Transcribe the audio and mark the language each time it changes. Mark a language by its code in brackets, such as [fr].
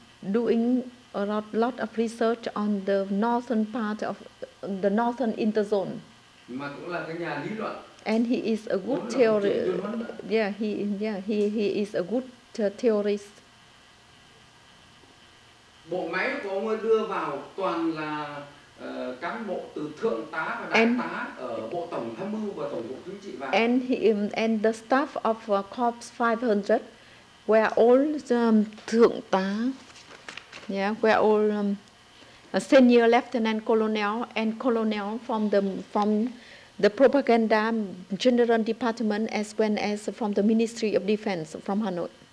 [en] Doing a lot of research on the northern part of the northern interzone. [vi] Mà cũng là cái nhà lý luận. [en] And he is a good theorist. He is a good theorist. [vi] Bộ máy của ông ấy đưa vào toàn là cán bộ từ thượng tá và đại tá ở Bộ Tổng Tham mưu và Tổng cục Chính trị vào. [en] And he and the staff of Corps 500 were all thượng tá. Yeah, were all senior lieutenant colonel and colonel from the propaganda general department as well as from the Ministry of Defense from Hanoi.